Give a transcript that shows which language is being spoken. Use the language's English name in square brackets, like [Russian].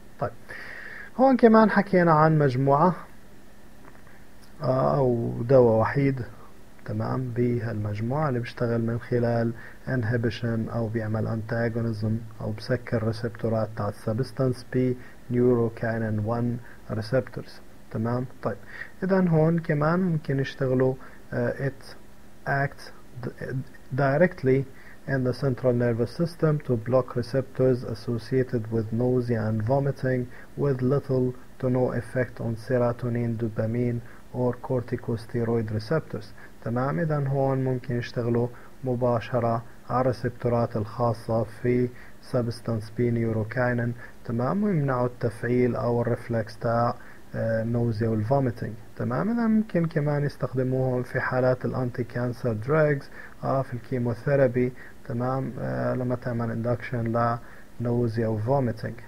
[Arabic] طيب هون كمان حكينا عن مجموعة أو دواء وحيد، تمام، بهالمجموعة اللي بيشتغل من خلال inhibition أو بيعمل antagonism أو بسكر ريسبتورات تاع [English] substance B neurokinin 1 receptors، [Arabic] تمام. طيب إذا هون كمان ممكن يشتغلوا [English] it acts directly in the central nervous system to block receptors associated with nausea and vomiting with little to no effect on serotonin, dopamine or corticosteroid receptors، تمام. [Arabic] إذا هون ممكن يشتغلوا مباشرة على الريسبتورات الخاصة في substance B neurokinin، تمام، ويمنعوا التفعيل أو الرفلكس تاع النوزيا والفوميتنج، تمام. إذا ممكن كمان يستخدموهم في حالات الأنتي كانسر دراجز، في الكيموثيرابي، تمام، لما تعمل اندكشن لنوزيا وفوميتنج.